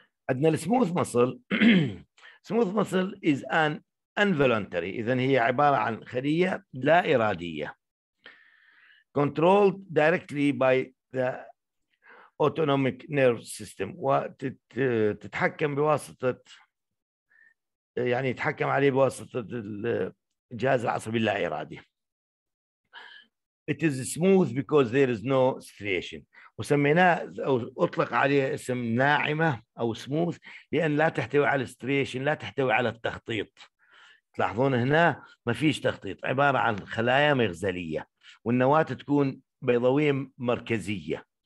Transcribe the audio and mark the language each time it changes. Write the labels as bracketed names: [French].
[Arabic] عندنا السموث مصل. سموث مصل [English] is an involuntary، [Arabic] اذا هي عباره عن خليه لا اراديه [English] controlled directly by the autonomic nerve system، [Arabic] وتتحكم بواسطه يعني يتحكم عليه بواسطه الجهاز العصبي اللا إرادي. [English] It is smooth because there is no striation. [Arabic] وسميناه أو أطلق عليه اسم ناعمة أو smooth لأن لا تحتوي على striation، لا تحتوي على التخطيط. تلاحظون هنا ما فيش تخطيط، عبارة عن خلايا مغزلية والنواة تكون بيضوية مركزية.